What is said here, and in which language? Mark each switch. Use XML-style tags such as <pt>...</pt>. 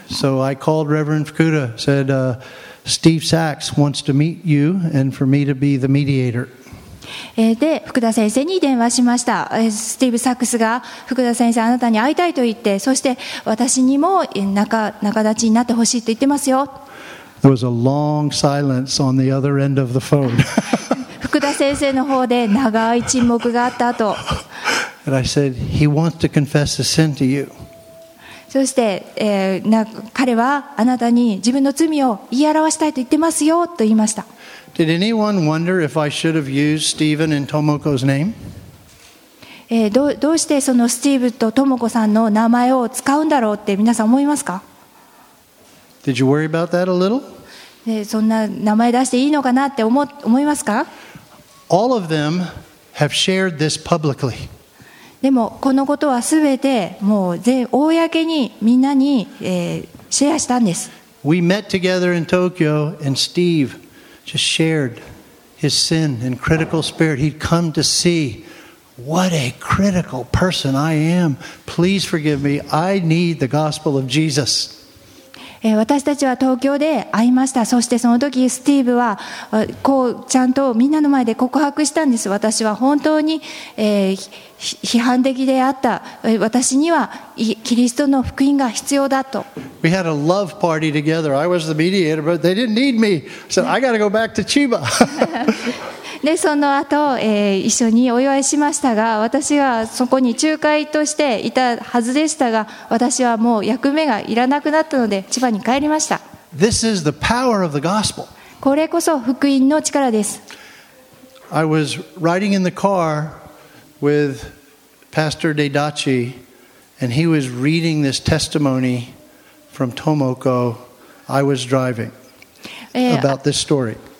<en>So I called Reverend Fukuda, said, Steve Sachs wants to meet you and for me to be the mediator.</en> <ja>で、福田先生に電話しました。スティーブ・サックスが福田先生、あなたに会いたいと言って、そして私にも仲立ちになってほしいと言ってますよ。</ja> <en>There was a long silence on the other end of the phone.</en> <ja>福田先生の方で長い沈黙があった後。</ja> <en>And I said, he wants to confess the sin to you.</en> <ja>そして、彼はあなたに自分の罪を言い表したいと言ってますよと言いました。</ja> <en>Did anyone wonder if I should have used Stephen and Tomoko's name?</en> <ja>どうしてそのスティーブとトモコさんの名前を使うんだろうって皆さん思いますか？</ja> <en>Did you worry about that a little?</en> <ja>そんな名前出していいのかなって思いますか?</ja> <en>All of them have shared this publicly.</en> <ja>でもこのことはすべてもう全公にみんなに、シェアしたんです。</ja> <en>We met together in Tokyo and Steve just shared his sin and critical spirit. He'd come to see what a critical person I am. Please forgive me. I need the gospel of Jesus.</en> <ja>私たちは東京で会いました。そしてその時スティーブはこうちゃんとみんなの前で告白したんです。私は本当に、批判的であった。私にはキリストの福音が必要だと。</ja> <en>We had a love party together. I was the mediator, but they didn't need me. So I got to go back to Chiba.</en> <ja>でその後、一緒にお祝いしましたが、私はそこに仲介としていたはずでしたが、私はもう役目がいらなくなったので千葉に帰りました。</ja> <en>This is the power of the gospel.</en> <ja>これこそ福音の力です。</ja> <en>I was riding in the car with Pastor Deidachi and he was reading this testimony from Tomoko. I was driving about this story.</en>